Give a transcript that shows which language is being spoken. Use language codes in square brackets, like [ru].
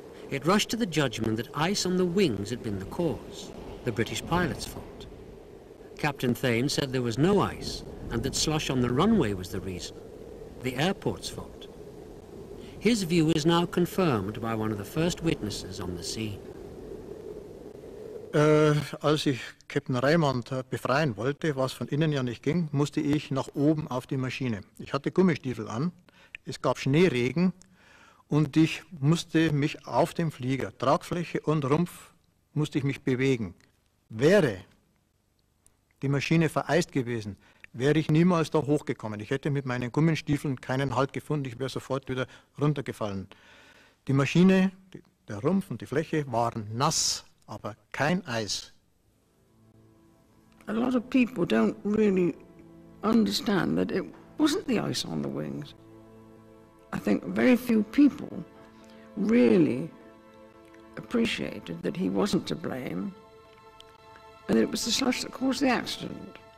[en] It rushed to the judgment that ice on the wings had been the cause, the British pilot's fault. Captain Thane said there was no ice and that slush on the runway was the reason, the airport's fault. His view is now confirmed by one of the first witnesses on the scene. [de] Als ich Captain Raymond befreien wollte, was von innen ja nicht ging, musste ich nach oben auf die Maschine. Ich hatte Gummistiefel an, es gab Schneeregen und ich musste mich auf dem Flieger, Tragfläche und Rumpf, musste ich mich bewegen. Wäre die Maschine vereist gewesen, wäre ich niemals da hochgekommen. Ich hätte mit meinen Gummistiefeln keinen Halt gefunden, ich wäre sofort wieder runtergefallen. Die Maschine, der Rumpf und die Fläche waren nass. Aber kein Eis. [en] A lot of people don't really understand that it wasn't the ice on the wings. I think very few people really appreciated that he wasn't to blame and that it was the slush that caused the accident.